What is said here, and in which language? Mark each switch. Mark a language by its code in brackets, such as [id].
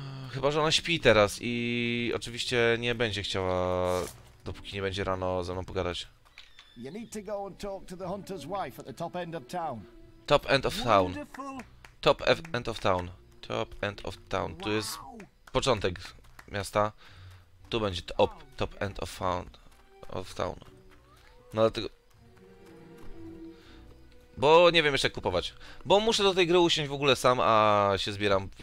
[pl] Chyba, że ona śpi teraz i oczywiście nie będzie chciała, dopóki nie będzie rano, ze mną pogadać. [en] You need to go and talk to the hunter's wife at the top end of town. Top end of town. Top end of town. Top end of town. [pl] Tu jest początek miasta. Tu będzie [en] top end of town. Of town. [pl] No dlatego... Bo nie wiem jeszcze jak kupować. Bo muszę do tej gry usiąść w ogóle sam, a się zbieram.